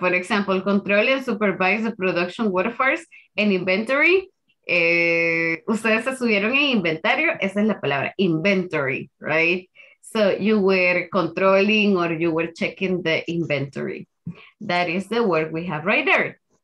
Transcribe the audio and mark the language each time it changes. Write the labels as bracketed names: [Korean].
[English] For example, control and supervise the production workforce and inventory. [Spanish] Ustedes estuvieron en inventario, esa es la palabra, inventory, right? [English] So you were controlling or you were checking the inventory. That is the word we have right there.